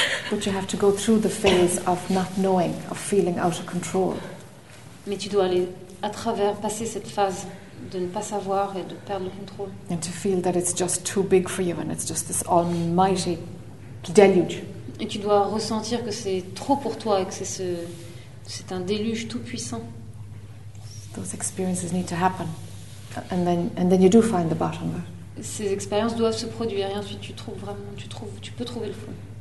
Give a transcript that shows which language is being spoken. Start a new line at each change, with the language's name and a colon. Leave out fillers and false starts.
English: But you have to go through the phase of not knowing, of feeling out of control.
French: Mais tu dois aller à travers, passer cette phase de ne pas savoir et de perdre le contrôle.
English: And to feel that it's just too big for you and it's just this almighty deluge.
French: Et tu dois ressentir que c'est trop pour toi et que c'est un déluge tout puissant.
English: Those experiences need to happen. And then you do find the bottom.
French: Ces expériences doivent se produire et ensuite tu trouves vraiment, tu peux trouver le fond.